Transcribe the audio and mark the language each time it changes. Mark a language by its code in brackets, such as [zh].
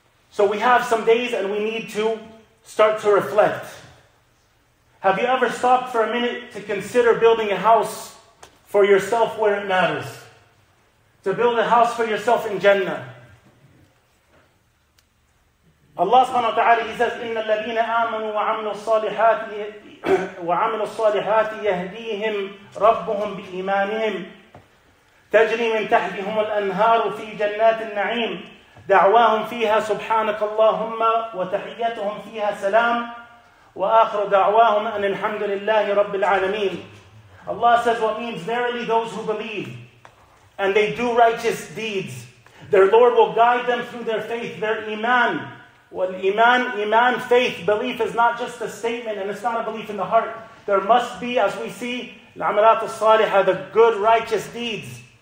[en] So we have some days and we need to start to reflect. Have you ever stopped for a minute to consider building a house for yourself where it matters? To build a house for yourself in Jannah. [ar] Allah subhanahu wa ta'ala, [en] he says, [ar] إِنَّ الَّذِينَ آمَنُوا وَعَمِلُوا الصَّالِحَاتِ وَعَمِلُوا الصَّالِحَاتِ يَهْدِيهِمْ رَبُّهُمْ بِإِيمَانِهِمْ تَجْرِي مِنْ تَحْتِهِمُ الْأَنْهَارُ فِي جَنَّاتِ النَّعِيمِ دَعْوَاهُمْ فِيهَا سُبْحَانَكَ اللَّهُمَّ وَتَحِيَّتُهُمْ فِيهَا سَلَامٌ وَآخِرُ دَعْوَاهُمْ أَنِ الْحَمْدُ لِلَّهِ رَبِّ الْعَالَمِينَ. [en] Allah says, what means, verily those who believe and they do righteous deeds, their Lord will guide them through their faith, their iman. Well, iman, faith, belief is not just a statement and it's not a belief in the heart. There must be, as we see, al-amalat al-saliha, the good righteous deeds.